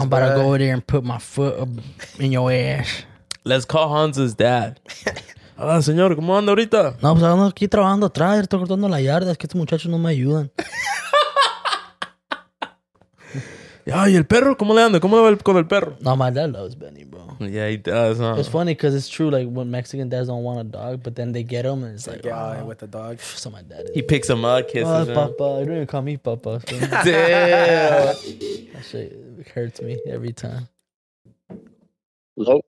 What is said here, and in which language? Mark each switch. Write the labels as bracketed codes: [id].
[en] I'm about to go over there and put my foot in your ass. Let's call Hans's dad. [es] Hola, señor, ¿cómo anda ahorita? No, pues ando aquí trabajando atrás, estoy cortando la yarda, es que estos muchachos no me ayudan. Ay, ¿el perro? ¿Cómo le anda? ¿Cómo le va con el perro? [en] No, my dad loves Benny, bro. Yeah, he does, huh? It's funny because it's true, like, when Mexican dads don't want a dog, but then they get him and it's like, yeah, oh, with the dog. So my dad is. He picks him up, kisses him. Papa, you don't even call me papa. So. Damn. That shit hurts me every time. Hello?